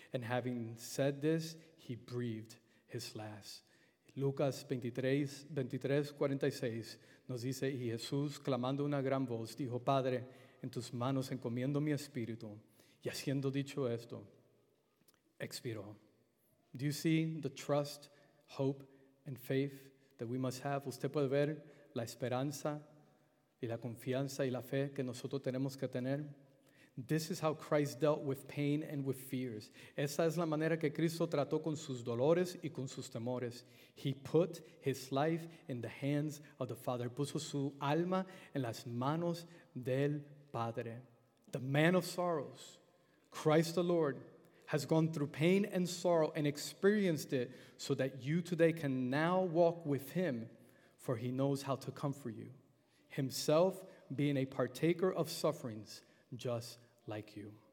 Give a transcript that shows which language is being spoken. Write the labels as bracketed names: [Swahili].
[English] And having said this, he breathed his last. [Spanish] Lucas 23:46 nos dice, y Jesús, clamando una gran voz, dijo, Padre, en tus manos encomiendo mi espíritu. Y haciendo dicho esto, expiró. [English] Do you see the trust, hope, and faith that we must have? [Spanish] Usted puede ver la esperanza y la confianza y la fe que nosotros tenemos que tener. [English] This is how Christ dealt with pain and with fears. [Spanish] Esa es la manera que Cristo trató con sus dolores y con sus temores. [English] He put his life in the hands of the Father. [Spanish] Puso su alma en las manos del Padre. [English] The man of sorrows, Christ the Lord, has gone through pain and sorrow and experienced it so that you today can now walk with him, for he knows how to comfort you, himself being a partaker of sufferings just like you.